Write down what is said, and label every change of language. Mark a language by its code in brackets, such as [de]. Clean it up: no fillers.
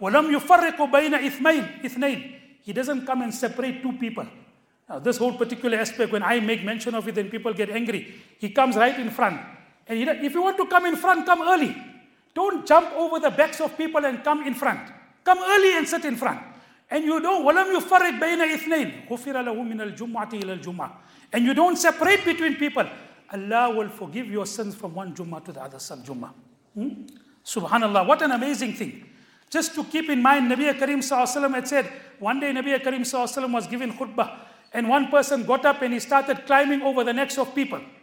[ar] ولم يفرق بين إثنين. [en] He doesn't come and separate two people. Now, this whole particular aspect, when I make mention of it, then people get angry. He comes right in front. And you know, if you want to come in front, come early. Don't jump over the backs of people and come in front. Come early and sit in front. And you don't, [ar] وَلَمْ يُفَرِّقْ بَيْنَ إِثْنَيْنِ غُفِرَ لَهُ مِنَ الْجُمْعَةِ إِلَى الْجُمْعَةِ. [en] And you don't separate between people. Allah will forgive your sins from one Jummah to the other some Jummah. Subhanallah, what an amazing thing. Just to keep in mind, Nabi Karim SAW had said, one day Nabi Karim SAW was given khutbah, and one person got up and he started climbing over the necks of people.